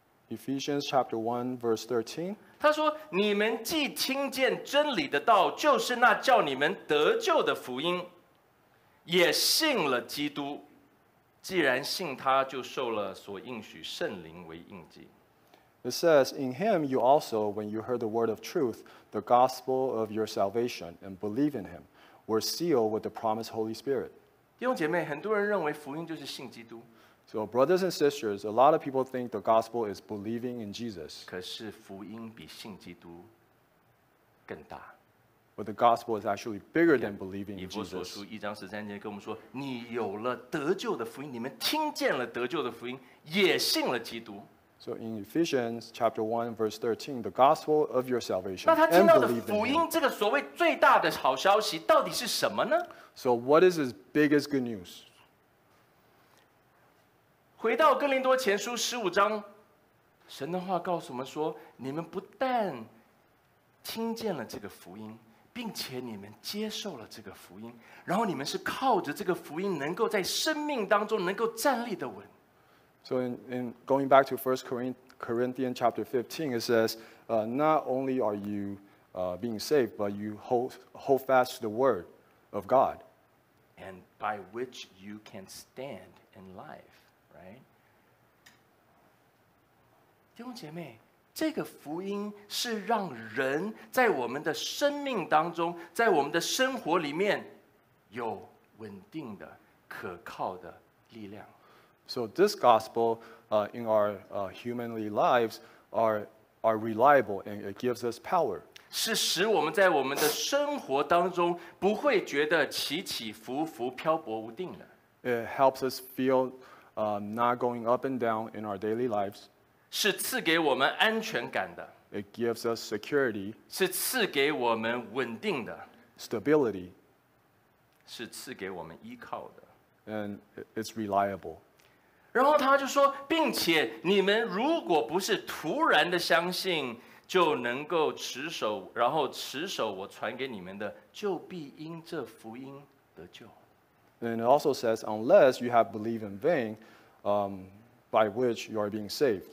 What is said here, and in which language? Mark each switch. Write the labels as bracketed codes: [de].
[en] ，Ephesians chapter one verse 13。 [zh] 他说你们既听见真理的道就是那叫你们得救的福音也信了基督既然信他就受了所应许圣灵为印记 [en] It says in him you also when you heard the word of truth the gospel of your salvation and believe in him were sealed with the promised Holy Spirit [zh] 弟兄姐妹很多人认为福音就是信基督 [en] So brothers and sisters, a lot of people think the gospel is believing in Jesus. [zh] 可是福音比信基督更大。 [en] But the gospel is actually bigger than believing in Jesus. [zh] 以弗所书一章十三节跟我们说，你有了得救的福音，你们听见了得救的福音，也信了基督。 [en] So in Ephesians chapter 1 verse 13, the gospel of your salvation. [zh] 那他听到的福音，这个所谓最大的好消息，到底是什么呢 [en] ？So what is his biggest good news? [zh] 回到哥林多前书十五章，神的话告诉我们说：你们不但听见了这个福音，并且你们接受了这个福音，然后你们是靠着这个福音能够在生命当中能够站立的稳。 [en] So in going back to 1 Corinthians chapter 15, it says, not only are you being saved, but you hold fast to the word of God, and by which you can stand in life. [zh] 弟兄姐妹，这个福音是让人在我们的生命当中，在我们的生活里面有稳定的、可靠的力量。 [en] So this gospel, in our humanly lives, are reliable and it gives us power. [zh] 是使我们在我们的生活当中不会觉得起起伏伏、漂泊无定的。 [en] It helps us feel not going up and down in our daily lives. [zh] 是赐给我们安全感的。 [en] It gives us security. [zh] 是赐给我们稳定的。 [en] Stability. [zh] 是赐给我们依靠的。 [en] And it's reliable. [zh] 然后他就说，并且你们如果不是突然的相信，就能够持守，然后持守我传给你们的，就必因这福音得救。 [en] And it also says, unless you have believed in vain, by which you are being saved.